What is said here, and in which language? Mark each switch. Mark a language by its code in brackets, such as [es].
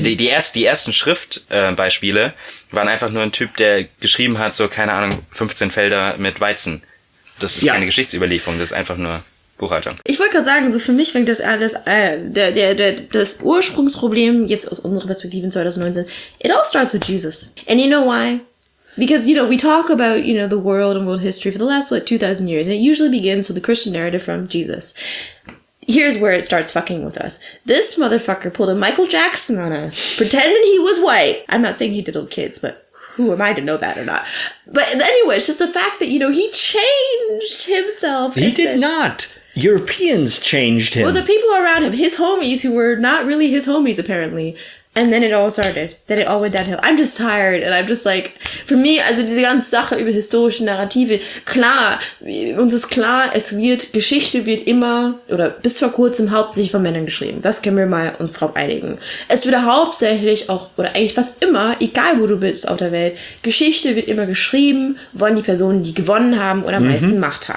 [de] die ersten Schriftbeispiele waren einfach nur ein Typ, der geschrieben hat, so keine Ahnung, 15 Felder mit Weizen. Das ist keine Geschichtsüberlieferung, das ist einfach nur Buchhalter. Ich wollte gerade sagen, so für mich fängt das alles, das Ursprungsproblem jetzt aus unserer Perspektive in 2019, [en] it all starts with Jesus. And you know why? Because, you know, we talk about, you know, the world and world history for the last, 2000 years, and it usually begins with the Christian narrative from Jesus. Here's where it starts fucking with us. This motherfucker pulled a Michael Jackson on us, pretending he was white. I'm not saying he diddled kids, but who am I to know that or not? But anyway, it's just the fact that, you know, he changed himself. He did not. Europeans changed him. Well, the people around him, his homies who were not really his homies, apparently. And then it all started. Then it all went downhill. I'm just tired. And I'm just like, for me, [de] also diese ganze Sache über historische Narrative, klar, uns ist klar, es wird, Geschichte wird immer, oder bis vor kurzem, hauptsächlich von Männern geschrieben. Das können wir mal uns drauf einigen. Es würde hauptsächlich auch, oder eigentlich fast immer, egal wo du bist auf der Welt, Geschichte wird immer geschrieben von die Personen, die gewonnen haben oder am meisten Macht haben.